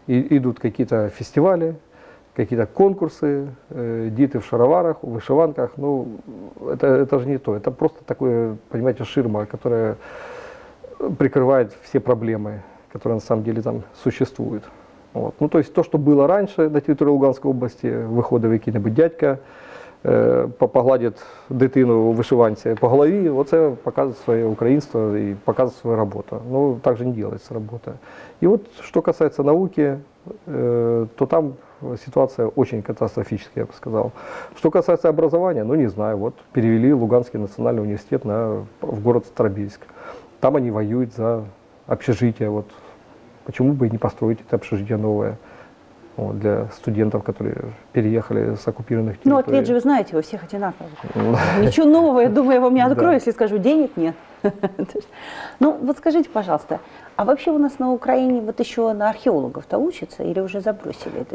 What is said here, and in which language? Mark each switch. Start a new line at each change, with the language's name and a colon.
Russian: Идут какие-то фестивали, какие-то конкурсы, диты в шароварах, в вышиванках. Ну, это же не то. Это просто такое, понимаете, ширма, которая прикрывает все проблемы, которые на самом деле там существуют. Вот. Ну, то есть то, что было раньше на территории Луганской области, выходы какие-нибудь дядька,
Ukrainian: погладит дитину в вышиванці по голові, оце показує своє українство і показує свою роботу.
Russian: Ну, так же не делается робота.
Ukrainian: І от, що касається науки, то там ситуація очень катастрофічна, я б сказав. Що касається образування, ну, не знаю, от перевели Луганський національний університет в город Стробильск. Там вони воюють за общежитие.
Russian: От, почему бы не построить это общежитие новое? Для студентов, которые переехали с оккупированных территорий. Ну, ответ же вы знаете, у всех одинаковый. Ничего нового, я думаю, я вам не открою, если скажу, денег нет. Ну, вот скажите, пожалуйста, а вообще у нас на Украине вот еще на археологов-то учатся или уже забросили это?